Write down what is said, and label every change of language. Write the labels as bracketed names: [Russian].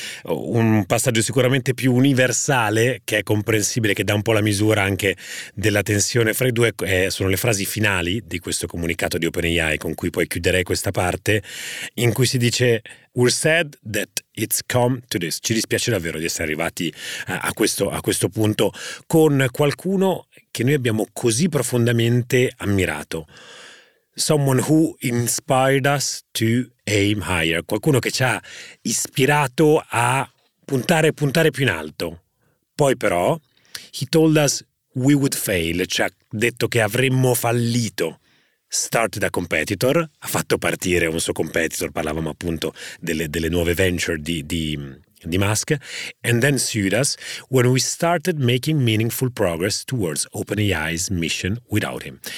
[Italian] Un passaggio sicuramente più universale, che è comprensibile, che dà un po' la misura anche della tensione fra i due, sono le frasi finali di questo comunicato di OpenAI, con cui poi chiuderei questa parte, in cui si dice: [English] we're sad that it's come to this. [Italian] Ci dispiace davvero di essere arrivati a questo punto con qualcuno che noi abbiamo così profondamente ammirato. [English] Someone who inspired us to aim higher. [Italian] Qualcuno che ci ha ispirato a puntare più in alto. Poi però, [English] he told us we would fail. [Italian] Ci ha detto che avremmo fallito. [English] Started a competitor, [Italian] ha fatto partire un suo competitor, parlavamo appunto delle nuove venture di Musk, [English] and then sued us when we started making meaningful progress towards OpenAI's mission without him.